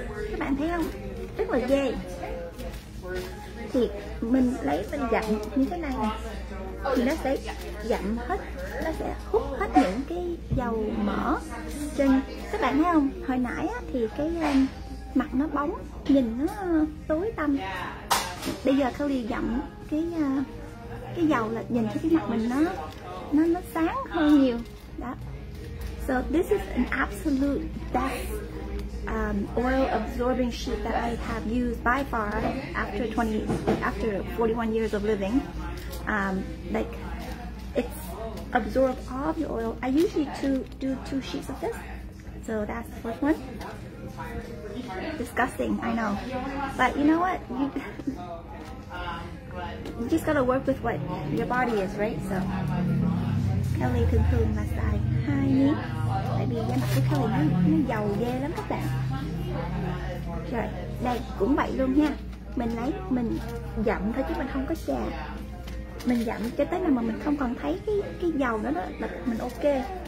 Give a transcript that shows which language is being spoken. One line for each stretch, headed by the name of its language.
Vietnamese: Các bạn thấy không, rất là ghê. Thì mình lấy mình dặm như thế này thì nó sẽ dặm hết, nó sẽ hút hết những cái dầu mỡ trên. Các bạn thấy không, hồi nãy á, thì cái mặt nó bóng, nhìn nó tối tăm. Bây giờ Kelly dặm cái dầu là nhìn thấy cái mặt mình nó sáng hơn nhiều đó.
English: So this is an absolute best oil absorbing sheet that I have used by far after 41 years of living. Like it absorbs all the oil. I usually do two sheets of this. So that's the first one. Disgusting, I know. But you know what? You just gotta work with what your body is, right?
Vietnamese: So Kelly thường thường là xài hai miếng, tại vì da mặt của Kelly nó dầu ghê lắm các bạn. Rồi đây cũng vậy luôn nha, mình lấy mình dặm thôi chứ mình không có chà, mình dặm cho tới nào mà mình không còn thấy cái dầu nữa đó là mình ok.